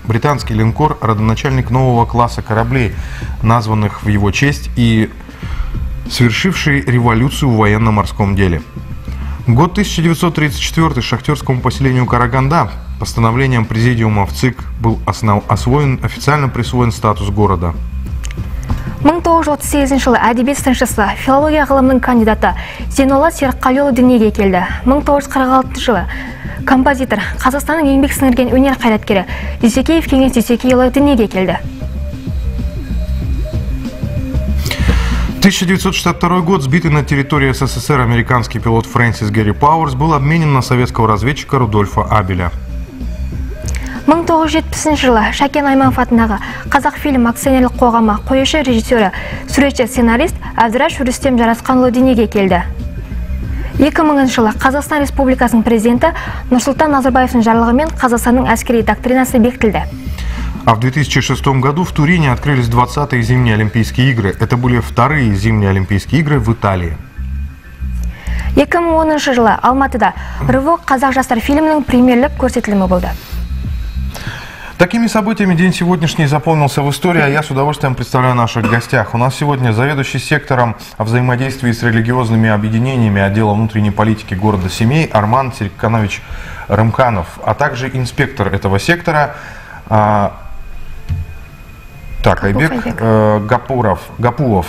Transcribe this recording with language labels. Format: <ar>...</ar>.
<ru>Британский линкор, родоначальник нового класса кораблей, названных в его честь и совершивший революцию в военно-морском деле. Год 1934. Шахтерскому поселению «Караганда». Постановлением президиума в ЦИК был официально присвоен статус города.</ru> <kk>1938 жылы әдебиет сыншысы, филология ғылымының кандидаты Зейнолла Серікқалиұлы дүниеге келді. 1946 жылы композитор, Қазақстанның еңбек сіңірген өнер қайраткері Дүйсекеев Кеңес Дүйсекеұлы дүниеге келді.</kk> <ru>1962 год. Сбитый на территории СССР американский пилот Фрэнсис Гэри Пауэрс был обменен на советского разведчика Рудольфа Абеля.</ru> <kk>1970 жылы Шакен Айманов атындағы Қазақфильм акционерлік қоғамы қоюшы режиссері, суретші сценарист Әбдіраш Рүстем Жарасқанұлы дүниеге келді. 2000 жылы Қазақстан Республикасының президенті Нұрсұлтан Назарбаевтың жарлығымен Қазақстанның әскери доктринасы бекітілді.</kk> <ru>А в 2006 году в Турине открылись 20-е зимние Олимпийские игры. Это были вторые зимние Олимпийские игры в Италии.</ru> <kk>2010 жылы Алматыда «Рывок қазақ жастар» фильмінің премьерлік көрсетілімі болды.</kk> <ru>Такими событиями день сегодняшний запомнился в истории, а я с удовольствием представляю наших гостях. У нас сегодня заведующий сектором о взаимодействии с религиозными объединениями отдела внутренней политики города Семей Арман Серикканович Рымханов, а также инспектор этого сектора Айбек Гапуов.</ru>